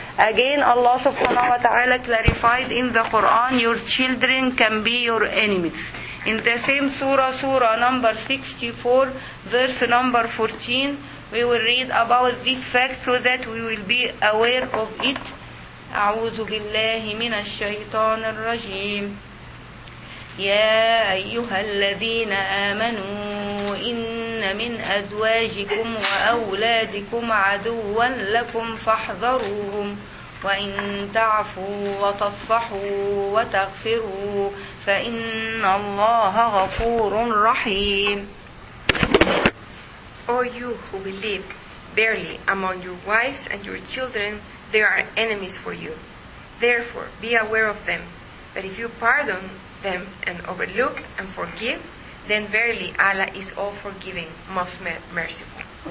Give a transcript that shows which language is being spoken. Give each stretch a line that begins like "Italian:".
English: Again, Allah subhanahu wa ta'ala clarified in the Quran, your children can be your enemies. In the same surah, surah number 64, verse number 14, we will read about this fact so that we will be aware of it.
Arabic: أعوذ بالله من الشيطان الرجيم يا أيها الذين آمنوا إن من أزواجكم وأولادكم عدوا لكم فاحذروهم وإن تعفوا وتصفحوا وتغفروا فإن الله غفور رحيم.
English: O you who believe, verily among your wives and your children they are enemies for you. Therefore, be aware of them. But if you pardon them and overlook and forgive, then verily Allah is all forgiving, most merciful.